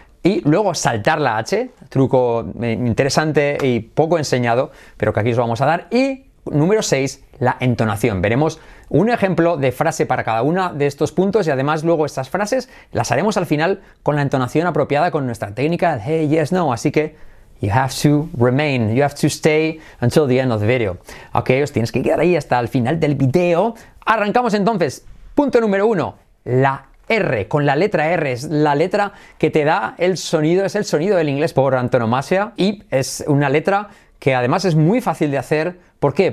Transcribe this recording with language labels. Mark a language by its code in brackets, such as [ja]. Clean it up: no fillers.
[es] Y luego saltar la H, truco interesante y poco enseñado, pero que aquí os vamos a dar. Y número 6, la entonación. Veremos un ejemplo de frase para cada uno de estos puntos y además luego estas frases las haremos al final con la entonación apropiada con nuestra técnica de hey, yes, no. Así que [en] you have to remain, you have to stay until the end of the video. [es] Ok, os tienes que quedar ahí hasta el final del video. Arrancamos entonces. Punto número 1, la R, con la letra R. Es la letra que te da el sonido, es el sonido del inglés por antonomasia. Y es una letra que además es muy fácil de hacer. ¿Por qué?